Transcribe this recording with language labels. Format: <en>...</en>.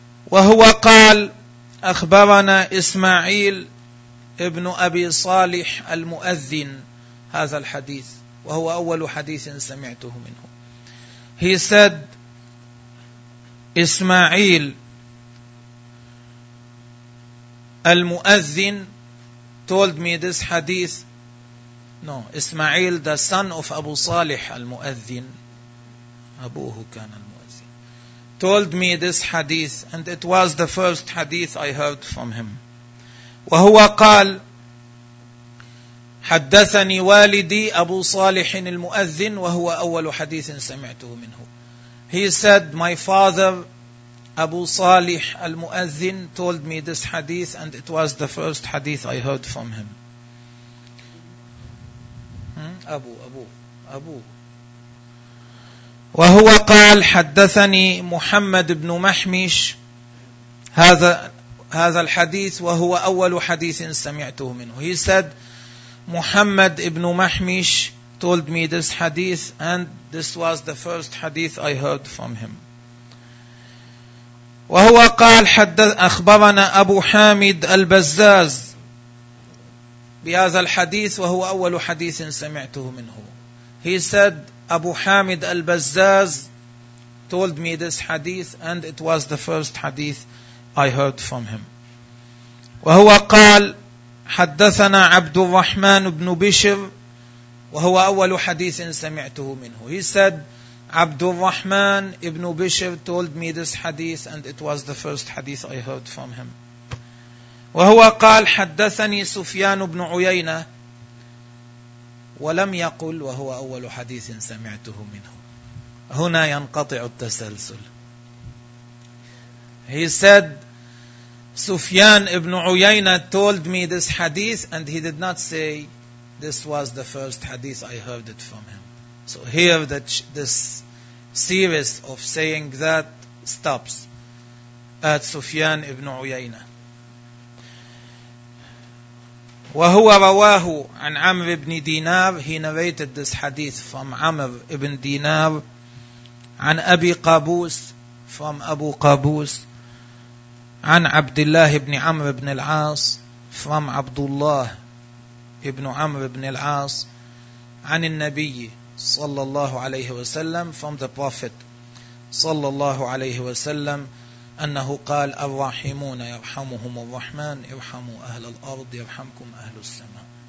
<ar>وهو قال أخبرنا إسماعيل ابن أبي صالح المؤذن هذا الحديث وهو أول حديث سمعته منه.</ar> <en>He said, إسماعيل المؤذن told me this hadith, No, Ismail, the son of Abu Salih al-Mu'adhin,</en> <ar>Abuhu kan al-Mu'adhin,</ar> <en>told me this hadith, and it was the first hadith I heard from him.</en> <ar>وهو قال حدثني والدي أبو صالح المؤذن وهو أول حديث سمعته منه.</ar> <en>He said, my father Abu Salih al-Mu'adhin told me this hadith, and it was the first hadith I heard from him. Abu.</en> <ar>وهو قال حدثني محمد بن محمش هذا الحديث وهو أول حديث سمعته منه.</ar> <en>He said, Muhammad ibn Mahmish told me this hadith, and this was the first hadith I heard from him.</en> <ar>وهو قال حدث أخبرنا أبو حامد البزاز بهذا الحديث وهو أول حديث سمعته منه.</ar> <en>He said, Abu Hamid al-Bazzaz told me this hadith, and it was the first hadith I heard from him.</en> <ar>وهو قال حدثنا عبد الرحمن بن بشر وهو أول حديث سمعته منه.</ar> <en>He said, عبد الرحمن بن بشر told me this hadith, and it was the first hadith I heard from him.</en> <ar>وهو قال حدثني سفيان بن عيينة ولم يقل وهو أول حديث سمعته منه. هنا ينقطع التسلسل.</ar> <en>He said, Sufyan ibn Uyayna told me this hadith, and he did not say, this was the first hadith I heard it from him. So here this series of saying that stops at Sufyan ibn Uyayna.</en> <ar>وَهُوَ رَوَاهُ عَنْ عَمْرِ ibn Dinar.</ar> <en>He narrated this hadith from Amr ibn Dinar,</en> <ar>عَنْ أَبِي قَابُوس,</ar> <en>from Abu Qabus,</en> <ar>عن عبد الله بن عمرو بن العاص, from عبد الله بن عمرو بن العاص, عن النبي صلى الله عليه وسلم,</ar> <en>from the Prophet</en> <ar>صلى الله عليه وسلم, أنه قال الرحمون يرحمهم الرحمن يرحموا أهل الأرض يرحمكم أهل السماء.</ar>